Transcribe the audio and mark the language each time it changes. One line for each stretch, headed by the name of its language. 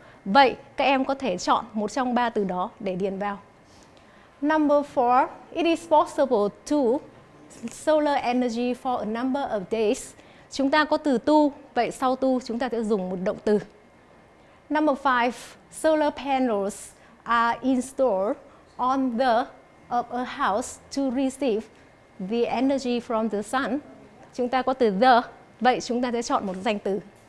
Vietnamese: Vậy các em có thể chọn một trong ba từ đó để điền vào.
English: Number 4, it is possible to solar energy for a number of days.
Vietnamese: Chúng ta có từ to, vậy sau to chúng ta sẽ dùng một động từ.
English: Number 5, solar panels are installed on the of a house to receive the energy from the sun.
Vietnamese: Chúng ta có từ the, vậy chúng ta sẽ chọn một danh từ.